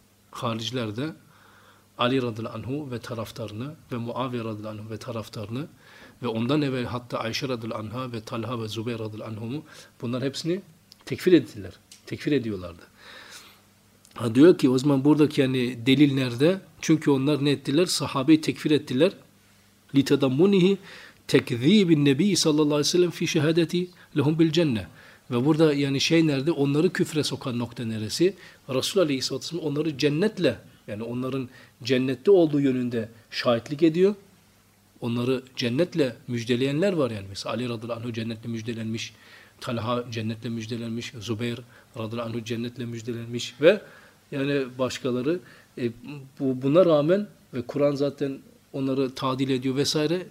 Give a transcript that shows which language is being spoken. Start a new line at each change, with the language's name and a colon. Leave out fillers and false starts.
Turkish: Hariciler de Ali radıyallahu anhu ve taraftarını ve Muaviye radıyallahu anhu ve taraftarını ve ondan evvel hatta Ayşe radıyallahu anha ve Talha ve Zübeyr radıyallahu anhu bunlar hepsini tekfir ettiler. Tekfir ediyorlardı. Ha diyor ki o zaman buradaki yani delil nerede? Çünkü onlar ne ettiler? Sahabeyi tekfir ettiler.
Arabic: لتضمنه تكذيب النبي صلى الله عليه وسلم في شهادتي لهم بالجنة.
Turkish: Ve burada yani şey nerede? Onları küfre sokan nokta neresi? Resul Aleyhisselatü Vesselam onları cennetle, yani onların cennette olduğu yönünde şahitlik ediyor. Onları cennetle müjdeleyenler var yani. Mesela Ali radıyallahu anh'u cennetle müjdelenmiş, Talha cennetle müjdelenmiş, Zübeyr radıyallahu anh'u cennetle müjdelenmiş ve yani başkaları buna rağmen ve Kur'an zaten onları tadil ediyor vesaire.